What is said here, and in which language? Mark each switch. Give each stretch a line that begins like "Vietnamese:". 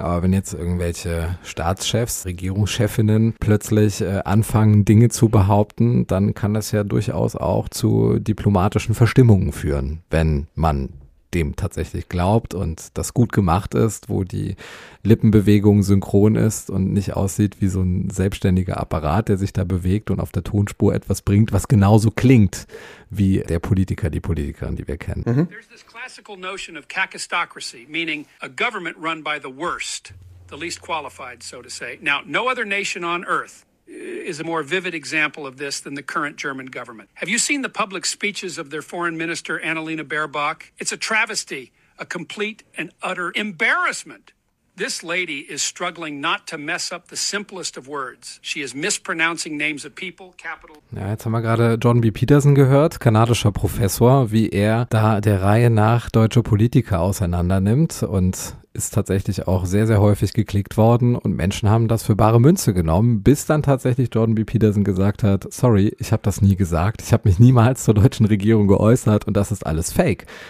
German: Aber wenn jetzt irgendwelche Staatschefs, Regierungschefinnen plötzlich anfangen, Dinge zu behaupten, dann kann das ja durchaus auch zu diplomatischen Verstimmungen führen, wenn man dem tatsächlich glaubt und das gut gemacht ist, wo die Lippenbewegung synchron ist und nicht aussieht wie so ein selbstständiger Apparat, der sich da bewegt und auf der Tonspur etwas bringt, was genauso klingt wie der Politiker, die Politikerin, die wir kennen.
English: There's this classical notion of kakistocracy, meaning a government run by the worst, the least qualified, so to say. Now, no other nation on earth is a more vivid example of this than the current German government. Have you seen the public speeches of their foreign minister, Annalena Baerbock? It's a travesty, a complete and utter embarrassment. This lady is struggling not to mess up the simplest of words. She is mispronouncing names of people, capital.
German: Ja, jetzt haben wir gerade Jordan B. Peterson gehört, kanadischer Professor, wie er da der Reihe nach deutsche Politiker auseinandernimmt und ist tatsächlich auch sehr, sehr häufig geklickt worden und Menschen haben das für bare Münze genommen, bis dann tatsächlich Jordan B. Peterson gesagt hat, sorry, ich habe das nie gesagt, ich habe mich niemals zur deutschen Regierung geäußert und das ist alles fake.